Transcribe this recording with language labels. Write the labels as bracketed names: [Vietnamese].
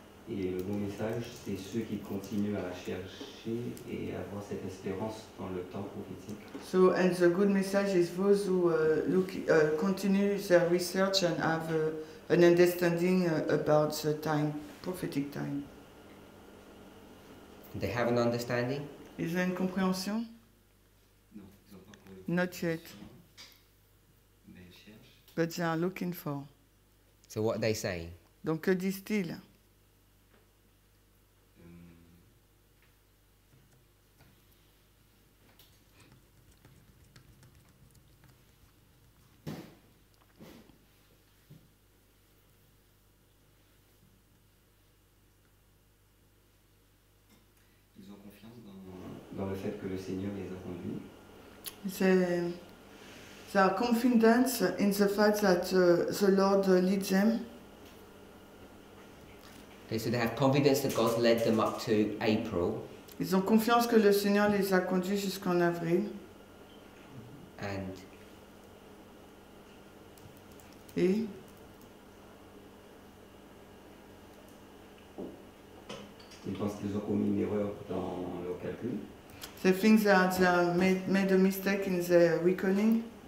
[French] Et le bon message, c'est ceux qui continuent à chercher et avoir cette espérance dans le temps prophétique. [English] So, and the good message is those who continue their research and have an understanding about the time, prophetic time. They have an understanding? Is there a compréhension? [French] Non, [English] not yet. [French] Mais [English] but they are looking for. So what are they saying? [French] Donc que disent-ils? Ils ont confiance dans le fait que le Seigneur les a conduits. [English] They are confident in the fact that the Lord leads them. Okay, so they have confidence that God led them up to April. [French] Ils ont confiance que le Seigneur les a conduits jusqu'en avril. [English] And. [French] Et. Ils pensent qu'ils ont commis une erreur dans leur calcul. [English] They think that they have made a mistake in their reckoning.